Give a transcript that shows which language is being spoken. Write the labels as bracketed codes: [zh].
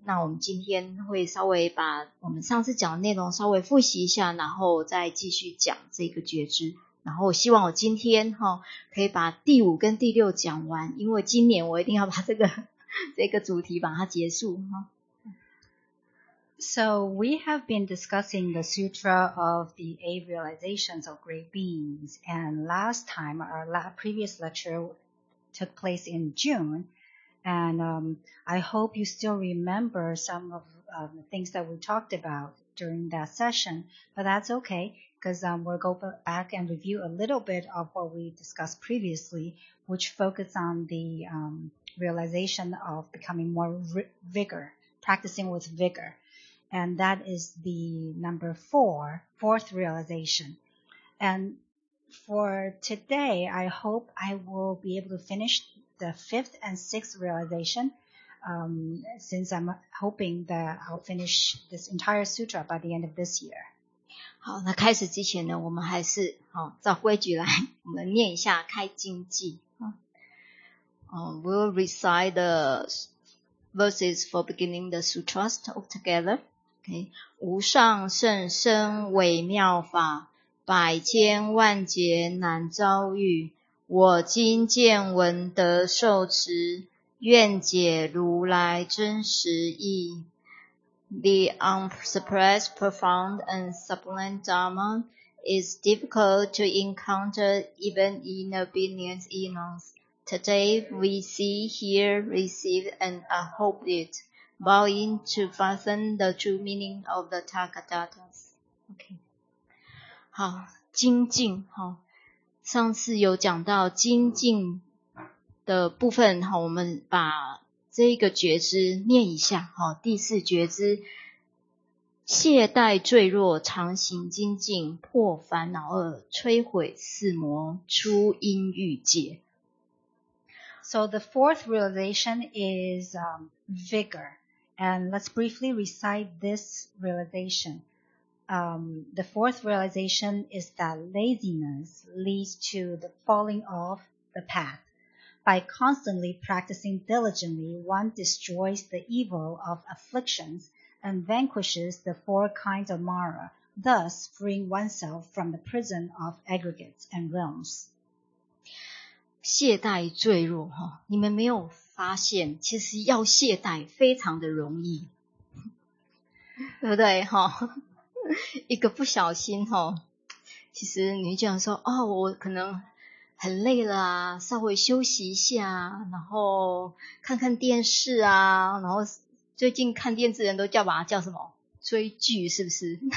[zh] 那我们今天会稍微把我们上次讲的内容稍微复习一下，然后再继续讲这个觉知。然后希望我今天齁可以把第五跟第六讲完，因为今年我一定要把这个主题把它结束齁。 [en] So we have been discussing the Sutra of the Eight Realizations of Great Beings, and last time our previous lecture took place in June, and I hope you still remember some of the things that we talked about during that session, but that's okay, because we'll go back and review a little bit of what we discussed previously, which focused on the realization of becoming more vigor, practicing with vigor. And that is the number fourth realization. And for today, I hope I will be able to finish the fifth and sixth realization, since I'm hoping that I'll finish this entire sutra by the end of this year. [zh] 好，那开始之前呢，我们还是照规矩来，我们念一下开经记。 [en] We'll recite the verses for beginning the sutras altogether. [zh] 无上甚深微妙法，百千万劫难遭遇，我今见闻得受持，愿解如来真实义。 [en] The unsuppressed, profound and sublime Dharma is difficult to encounter even in a billion eons. Today we see, hear, receive and hope itBowing to fasten the true meaning of the Tathagatas. Okay. [zh] 好，精进，上次有讲到精进的部分，我们把这个觉知念一下，第四觉知，懈怠坠落，常行精进，破烦恼厄，摧毁四魔，出阴欲界。 [en] So the fourth realization is vigor. And let's briefly recite this realization. The fourth realization is that laziness leads to the falling off the path. By constantly practicing diligently, one destroys the evil of afflictions and vanquishes the four kinds of Mara, thus freeing oneself from the prison of aggregates and realms. [zh] 懈怠坠入，你们没有发现其实要懈怠非常的容易，对不对？一个不小心，其实你就想说，我可能很累了，稍微休息一下，然后看看电视啊，然后最近看电视人都叫把它叫什么，追剧，是不是？